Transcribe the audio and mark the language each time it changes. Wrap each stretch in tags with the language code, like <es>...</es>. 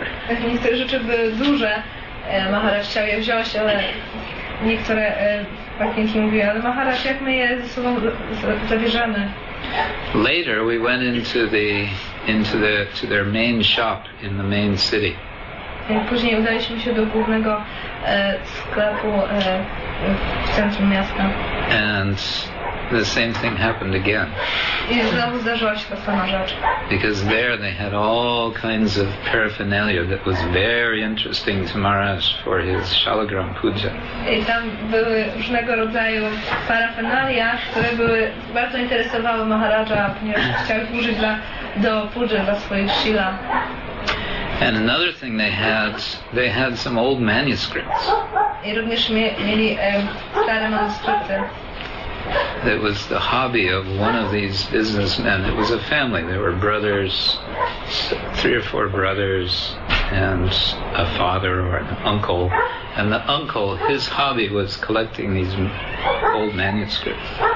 <pl>Niektóre rzeczy były duże, Maharaj chciał je wziąć, ale niektóre pacjentki mówiły, ale Maharaj, jak my je ze sobą zabierzemy?</pl> <en>Later we went into their main shop in the main city.</en> <pl>Później udaliśmy się do głównego sklepu w centrum miasta.</pl> <en>And the same thing happened again.</en> <pl>I znowu zdarzyła się ta sama rzecz.</pl> <en>Because there they had all kinds of paraphernalia that was very interesting to Maharaj for his Shalagram Puja.</en> <pl>I tam były różnego rodzaju paraphernalia, które były bardzo interesowały Maharaja, ponieważ chciał ich użyć do Puja, dla swoich Shila.</pl> <en>And another thing they had some old manuscripts.</en> <pl>I również mieli stare manuskrypty.</pl> <en>that was the hobby of one of these businessmen. It was a family. There were brothers, three or four brothers, and a father or an uncle. And the uncle, his hobby was collecting these old manuscripts.</en>